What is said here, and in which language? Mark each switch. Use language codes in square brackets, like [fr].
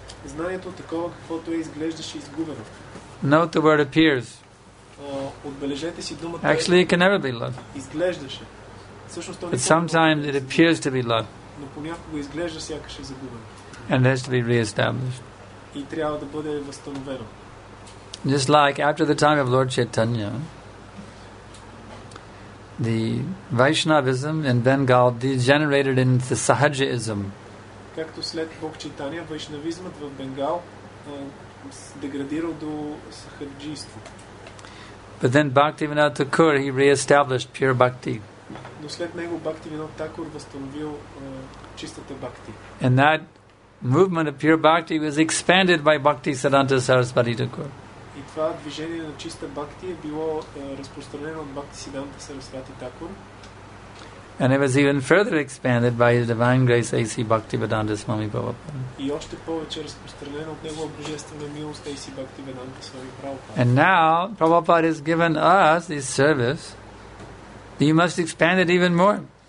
[bg] Знанието такова, каквото е, изглеждаше изгубено. [en] Note the word appears. [bg] Отбележете си думата. [en] Actually, it can never be love. [bg] Изглеждаше. [en] But sometimes it appears to be love. [bg] Но понякога изглежда сякаш е загубено. [en] And it has to be re-established. [bg] И трябва да бъде възстановено. [en] Just like after the time of Lord Chaitanya, the Vaishnavism in Bengal degenerated into Sahajism. [bg] Както след Бог Читания, вайшнавизмът в Бенгал деградирал до сахаджийство. [en] But then Bhaktivinoda Thakur, he re-established pure bhakti. [bg] Но след него Бхактивинода Такур възстановил чистата бхакти. [en] And that movement of pure bhakti was expanded by Bhakti Siddhanta Sarasvati Thakur. [bg] И това движение на чиста бхакти е било разпространено от Бхакти Сиданта Сарасвати Такур. [en] And it was even further expanded by His Divine Grace A.C. Bhaktivedanta Swami Prabhupada. And now, Prabhupada has given us this service. You must expand it even more.